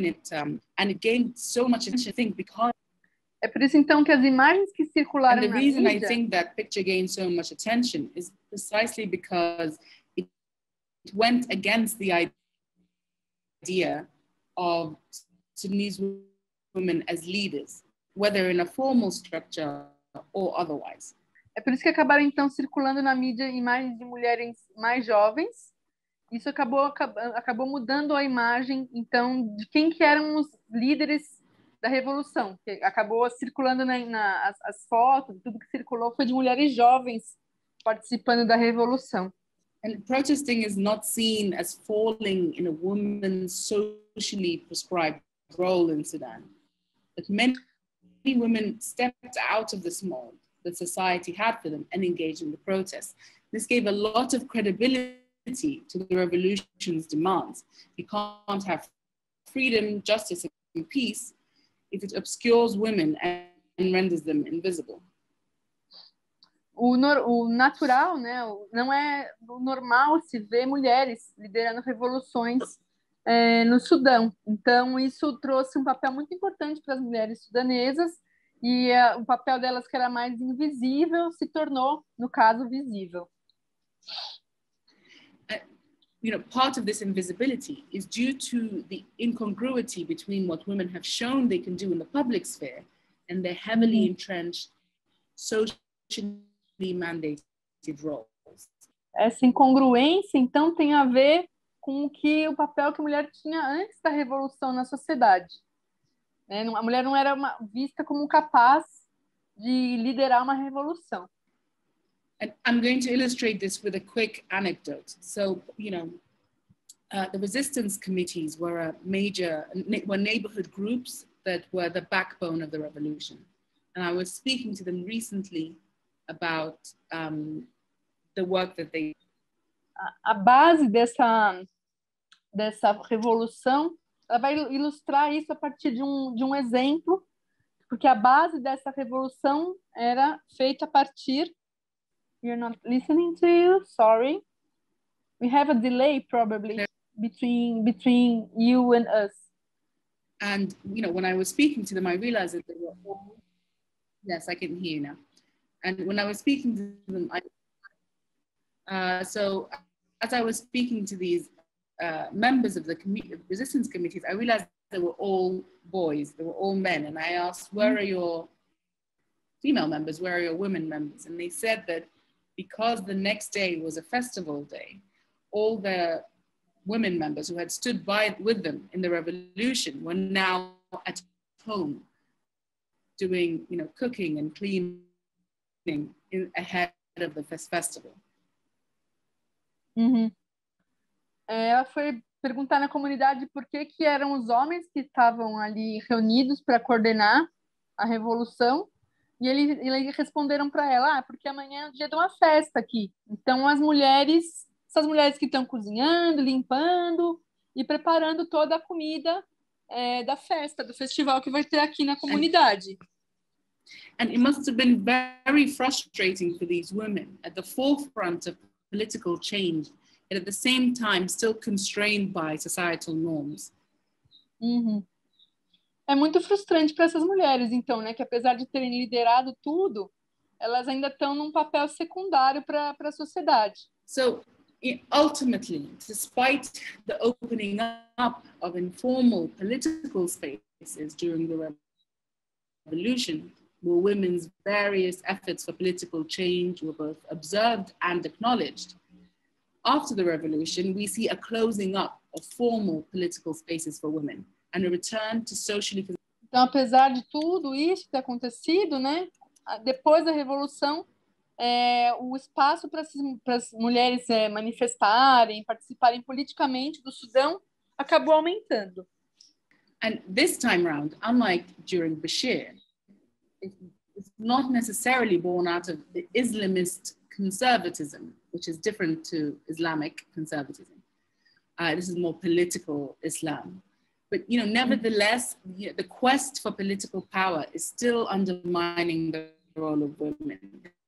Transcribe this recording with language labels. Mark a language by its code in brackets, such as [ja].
[en] And it gained so much attention, I think, because... [pt] É por isso, então, que as imagens que circularam [en] and the [pt] na [en] reason [pt] mídia... [en] I think that picture gained so much attention is precisely because it went against the idea of Sudanese women as leaders, whether in a formal structure or otherwise. [pt] É por isso que acabaram, então, circulando na mídia imagens de mulheres mais jovens. Isso acabou mudando a imagem, então, de quem que eram os líderes da revolução. Que acabou circulando as fotos, tudo que circulou foi de mulheres jovens participando da revolução. [en] And protesting is not seen as falling in a woman's socially prescribed role in Sudan. But many women stepped out of this mold that society had for them and engaged in the protest. This gave a lot of credibility to the revolution's demands. You can't have freedom, justice, and peace if it obscures women and renders them invisible. [pt] O natural, né? Não é normal se ver mulheres liderando revoluções no Sudão. Então, isso trouxe um papel muito importante para as mulheres sudanesas e o papel delas, que era mais invisível, se tornou, no caso, visível. [en] You know, part of this invisibility is due to the incongruity between what women have shown they can do in the public sphere and their heavily entrenched socially mandated roles. [pt] Essa incongruência, então, tem a ver com o papel que a mulher tinha antes da revolução na sociedade. A mulher não era vista como capaz de liderar uma revolução. [en] And I'm going to illustrate this with a quick anecdote. So, you know, the resistance committees were a major, were neighborhood groups that were the backbone of the revolution. And I was speaking to them recently about the work that they... [pt] A base dessa revolução, ela vai ilustrar isso a partir de um exemplo, porque a base dessa revolução era feita a partir... [en] You're not listening to you, sorry. We have a delay probably between you and us. And, you know, when I was speaking to them, I realized that they were all... Yes, I can hear you now. And when I was speaking to them, as I was speaking to these members of the resistance committees, I realized they were all boys, they were all men. And I asked, where are your female members? Where are your women members? And they said that because the next day was a festival day, all the women members who had stood by with them in the revolution were now at home doing, you know, cooking and cleaning ahead of the festival. Uhum. [pt] Ela foi perguntar na comunidade por que eram os homens que estavam ali reunidos para coordenar a revolução. E eles responderam para ela, porque amanhã é o dia de uma festa aqui. Então, as mulheres, essas mulheres que estão cozinhando, limpando e preparando toda a comida da festa, do festival que vai ter aqui na comunidade. [en] And it must have been very frustrating for these women at the forefront of political change, but at the same time still constrained by societal norms. Uhum. [pt] É muito frustrante para essas mulheres, então, né? Que apesar de terem liderado tudo, elas ainda estão num papel secundário para a sociedade. [en] So, ultimately, despite the opening up of informal political spaces during the revolution, where women's various efforts for political change were both observed and acknowledged, after the revolution, we see a closing up of formal political spaces for women. And a return to socially... [pt] Então, apesar de tudo isso ter acontecido, né, depois da revolução, o espaço para as mulheres manifestarem, participarem politicamente do Sudão acabou aumentando. [en] And this time round, unlike during Bashir, it's not necessarily born out of the Islamist conservatism, which is different to Islamic conservatism. This is more political Islam. But, you know, nevertheless, the quest for political power is still undermining the role of women.